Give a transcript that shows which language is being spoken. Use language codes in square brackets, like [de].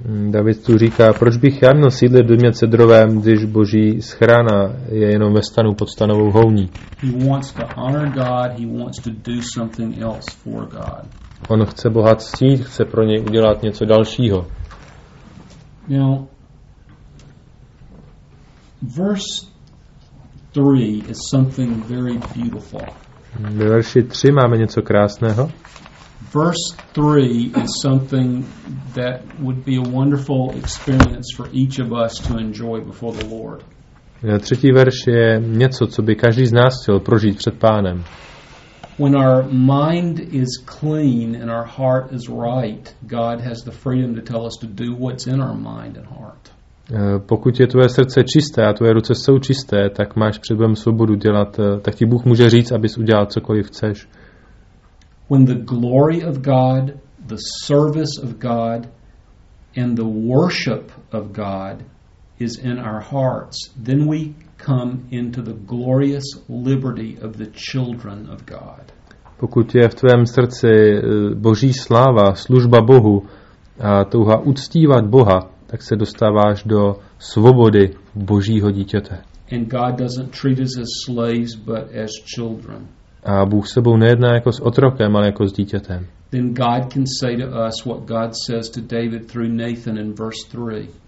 [cs] David tu říká, proč bych já měl sídlit v domě cedrovém, když Boží schrana je jenom ve stanu pod stanovou houní. [en] He wants to honor God, he wants to do something else for God. [cs] On chce Boha ctít, chce pro něj udělat něco dalšího. [en] Now, verse 3 is something very beautiful. [cs] Ve verši 3 máme něco krásného. [en] Verse 3 is something that would be a wonderful experience for each of us to enjoy before the Lord. [cs] Třetí verš je něco, co by každý z nás chtěl prožít před Pánem. [en] When our mind is clean and our heart is right, God has the freedom to tell us to do what's in our mind and heart. [cs] Pokud je tvoje srdce čisté a tvoje ruce jsou čisté, tak máš před Bohem svobodu dělat, tak ti Bůh může říct, abys udělal cokoliv chceš. [en] When the glory of God, the service of God, and the worship of God is in our hearts, then we come into the glorious liberty of the children of God. [cs] Pokud je v tvém srdci Boží sláva, služba Bohu a touha uctívat Boha, tak se dostáváš do svobody Božího dítěte. [en] And God doesn't treat us as slaves, but as children. [cs] A Bůh sebou nejedná jako s otrokem, ale jako s dítětem. [en] Then God can say to us what God says to David through Nathan in verse 3.